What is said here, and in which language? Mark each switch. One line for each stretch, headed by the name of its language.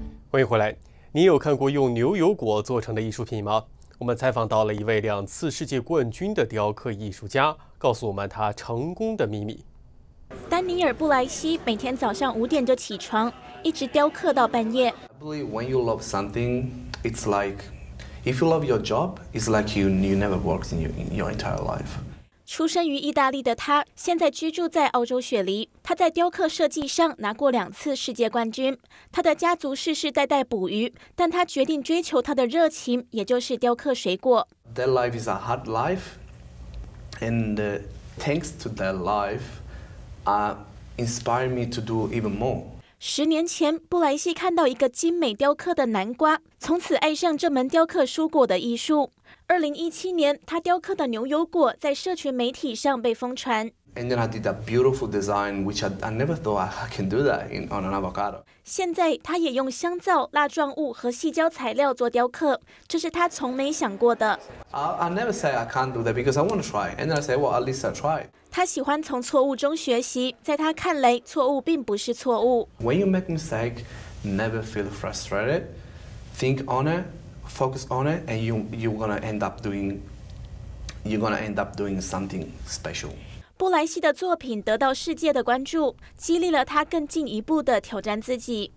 Chinese: 欢迎回来，您有看过用牛油果做成的艺术品吗？我们采访到了一位两次世界冠军的雕刻艺术家，告诉我们他成功的秘密。丹尼尔·布莱西每天早上5点就起床，一直雕刻到半夜。
English: I believe when you love something, it's like if you love your job, it's like you never worked in your entire life.
Chinese: 出生于意大利的他，现在居住在澳洲雪梨。他在雕刻设计上拿过两次世界冠军。他的家族世世代代捕鱼，但他决定追求他的热情，也就是雕刻水果。
English: Their life is a hard life, and thanks to their life. Inspired me to do even more.
Chinese: 十年前，布莱西看到一个精美雕刻的南瓜，从此爱上这门雕刻蔬果的艺术。 2017年，他雕刻的牛油果在社群媒体上被疯传。
English: And then I did a beautiful design, which I never thought I can do that on an avocado.
Chinese: 现在他也用香皂、蜡状物和细胶材料做雕刻，这是他从没想过的。
English: I never say I can't do that because I want to try, and then I say, well, at least I tried.
Chinese: 他喜欢从错误中学习，在他看来，错误并不是错误。
English: When you make mistake, never feel frustrated. Think on it, focus on it, and you're gonna end up doing something special.
Chinese: 布莱西的作品得到世界的关注，激励了他更进一步的挑战自己。